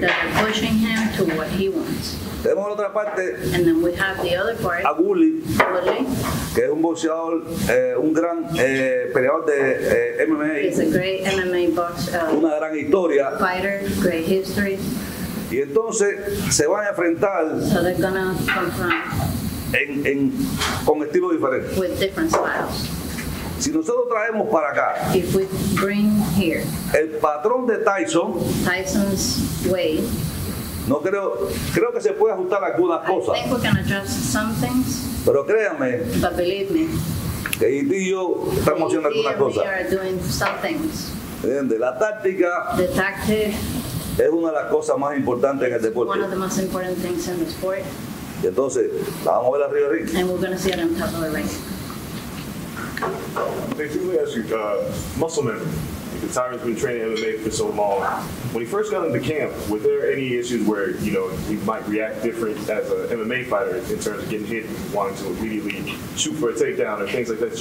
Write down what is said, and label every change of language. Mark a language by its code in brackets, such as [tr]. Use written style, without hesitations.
[en] That are pushing him to what he wants. [es] Tenemos la otra parte, [en] and then we have the other part, [es] a Woodley, que es un boxeador, un gran peleador de MMA. [en] He's a great MMA boxer, [es] una gran historia. [en] Fighter, great history. [es] Y entonces se van a enfrentar [en] so they're gonna confront [es] con estilos diferentes. [en] With different styles. [es] Si nosotros traemos para acá, [en] if we bring here, [es] el patrón de Tyson, [en] Tyson's way, [es] no creo, creo que se puede ajustar algunas cosas. [en] I think we can adjust some things. [es] Pero créanme, [en] but believe me, [es] que ET y yo estamos haciendo algunas cosas. [en] We are doing some things. [es] ¿Entiendes? La táctica, [en] the tactic, [es] es una de las cosas más importantes en el deporte. [en] One of the most important things in the sport. [es] Y entonces, la vamos a ver arriba del ring. [en] And we're going to see it on top of the ring. Basically, as you muscle memory, because Tyron's been training MMA for so long, when he first got into camp, were there any issues where, you know, he might react different as an MMA fighter in terms of getting hit, wanting to immediately shoot for a takedown or things like that?